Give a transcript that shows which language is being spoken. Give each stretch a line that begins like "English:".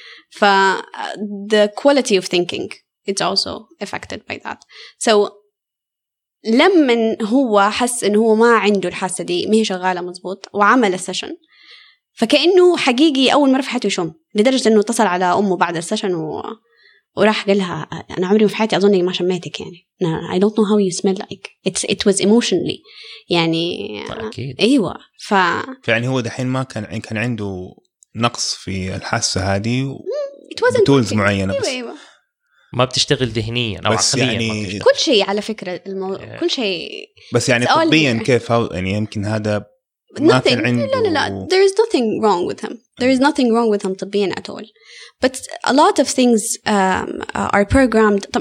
English: ف the quality of thinking it's also affected by that. So
Arabic: لما هو حس إن هو ما عنده الحاسة دي، مهي شغالة مزبوط، وعمل السيشن، فكأنه حقيقي أول مرة في حياته يشم، لدرجة إنه اتصل على أمه بعد السيشن وراح قلها أنا عمري في حياتي أظن إني ما شميتك يعني.
English: No, I don't know how you smell like. It was emotionally يعني.
Arabic: أكيد. إيوة. فيعني هو دحين ما كان عنده نقص في الحاسة هذه.
English: It wasn't.
Arabic: بتولز معينة بس. أيوة. ما بتشتغل ذهنيا او عقليا يعني. كل شيء على فكره كل شيء بس يعني طبيا كيف يعني يمكن هذا ما كان عنده.
English: لا لا لا، there is nothing wrong with him. There is nothing wrong with him طبيا at all. But a lot of things are programmed.